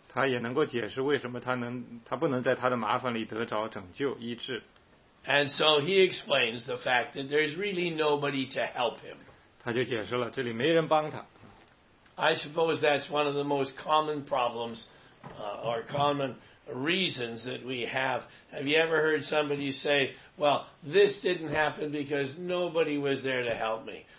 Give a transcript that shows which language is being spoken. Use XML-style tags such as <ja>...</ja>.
<zh>他也能够解释为什么他不能在他的麻烦里得着拯救医治。</zh> <en>And so he explains the fact that there's really nobody to help him.</en> <zh>他就解释了这里没人帮他。</zh> <en>I suppose that's one of the most common problems. Or common reasons that we have. Have you ever heard somebody say, well, this didn't happen because nobody was there to help me.</en>